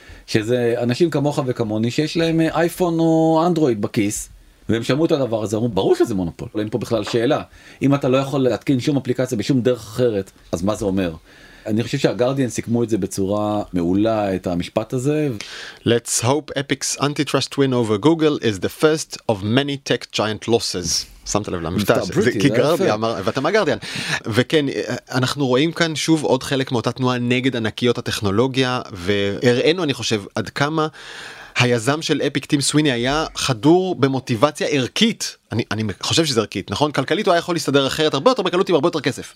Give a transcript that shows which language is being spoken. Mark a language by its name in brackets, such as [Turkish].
[Hebrew] שזה אנשים כמוך וכמוני שיש להם אייפון או אנדרואיד בכיס, והם שמעו את הדבר הזה, אמרו, ברור שזה מונופול, אין פה בכלל שאלה. אם אתה לא יכול להתקין שום אפליקציה בשום דרך אחרת, אז מה זה אומר? אני חושב שהגארדיאן סיכמו את זה בצורה מעולה, את המשפט הזה. [English] Let's hope Epic's antitrust win over Google is the first of many tech giant losses. [Hebrew] שמת לב למבטא, כי גרדיאן אמר, ואתה מה גרדיאן? וכן, אנחנו רואים כאן שוב עוד חלק מאותה תנועה נגד ענקיות הטכנולוגיה, והראינו, אני חושב, עד כמה היזם של אפיק טים סוויני היה חדור במוטיבציה ערכית. אני חושב שזה ערכית, נכון? כלכלית הוא היה יכול להסתדר אחרת, הרבה יותר בקלות עם הרבה יותר כסף.